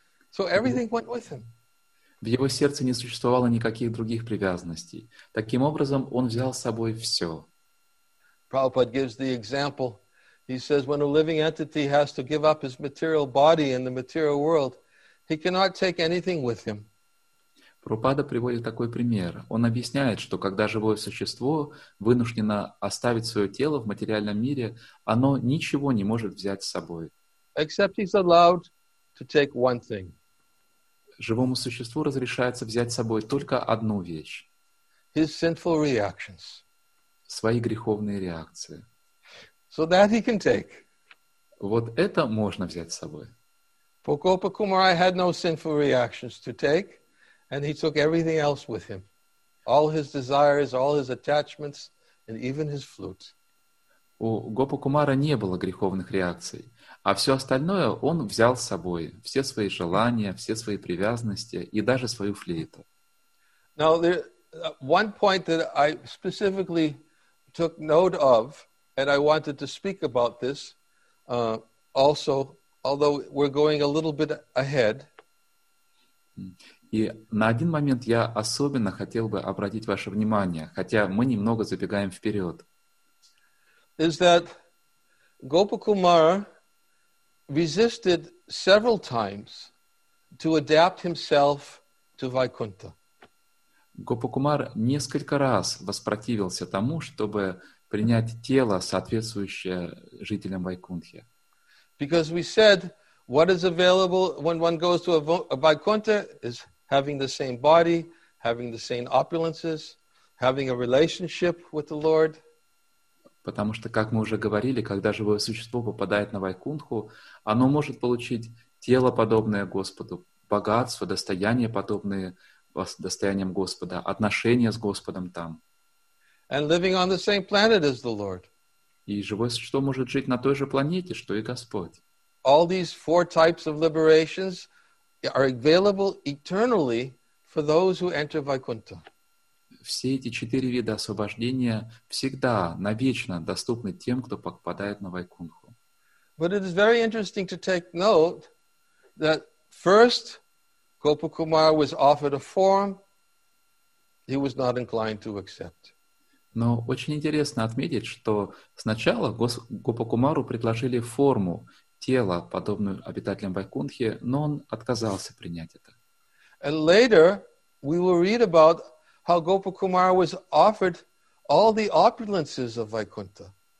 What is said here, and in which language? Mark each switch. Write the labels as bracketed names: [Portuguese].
[English] So everything went with him. [Russian] В его сердце не существовало никаких других привязанностей. Таким образом, он взял с собой все. [English] Prabhupada gives the example. He says, when a living entity has to give up his material body in the material world, he cannot take anything with him. [Russian] Прабхупада приводит такой пример. Он объясняет, что когда живое существо вынуждено оставить свое тело в материальном мире, оно ничего не может взять с собой. [English] Except he's allowed to take one thing. [Russian] Живому существу разрешается взять с собой только одну вещь. [English] His sinful reactions. [Russian] Свои греховные реакции. [English] So that he can take. [Russian] Вот это можно взять с собой. [English] Prokopa Kumarai had no sinful reactions to take. And he took everything else with him. All his desires, all his attachments, and even his flute. [Russian] У Гопа-кумара не было греховных реакций. А все остальное он взял с собой. Все свои желания, все свои привязанности и даже свою флейту. [English] Now, there, one point that I specifically took note of, and I wanted to speak about this also, although we're going a little bit ahead. [Russian] И на один момент я особенно хотел бы обратить ваше внимание, хотя мы немного забегаем вперед. [English] Is that Gopakumara resisted several times to adapt himself to Vaikuntha. [Russian] Гопакумар несколько раз воспротивился тому, чтобы принять тело, соответствующее жителям Вайкунтхи. [English] Because we said what is available when one goes to a Vaikuntha is having the same body, having the same opulences, having a relationship with the Lord. [Russian] Потому что, как мы уже говорили, когда живое существо попадает на Вайкунтху, оно может получить тело, подобное Господу, богатство, достояние, подобное достояниям Господа, отношения с Господом там. [English] And living on the same planet as the Lord. [Russian] И живое существо может жить на той же планете, что и Господь. [English] All these four types of liberations are available eternally for those who enter Vaikuntha. [Russian] Все эти четыре вида освобождения всегда, навечно доступны тем, кто попадает на Вайкунтху. [English] But it is very interesting to take note that first Gopakumara was offered a form he was not inclined to accept. [Russian] Но очень интересно отметить, что сначала Гопакумару предложили форму тела, подобную обитателям Вайкунтхи, но он отказался принять это. [English] And later we will read about how Gopakumara was offered all the opulences of Vaikuntha.